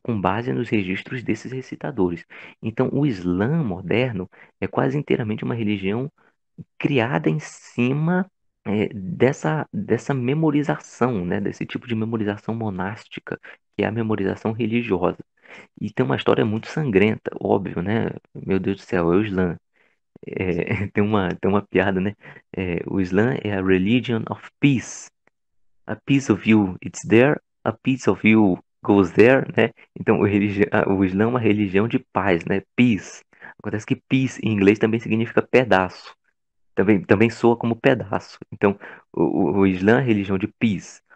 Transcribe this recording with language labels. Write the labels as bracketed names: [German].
[Portuguese] Com base nos registros desses recitadores. Então, o Islã moderno é quase inteiramente uma religião criada em cima dessa memorização, né, desse tipo de memorização monástica, que é a memorização religiosa. E tem uma história muito sangrenta, óbvio, né? Meu Deus do céu, é o Islã. Tem uma piada, né? O Islã é a [English] religion of peace. A piece of you it's there, a piece of you goes there, né? [Portuguese] Então, o Islã é uma religião de paz, né? Peace. Acontece que peace em inglês também significa pedaço. Também soa como pedaço. Então, o Islã é a religião de peace.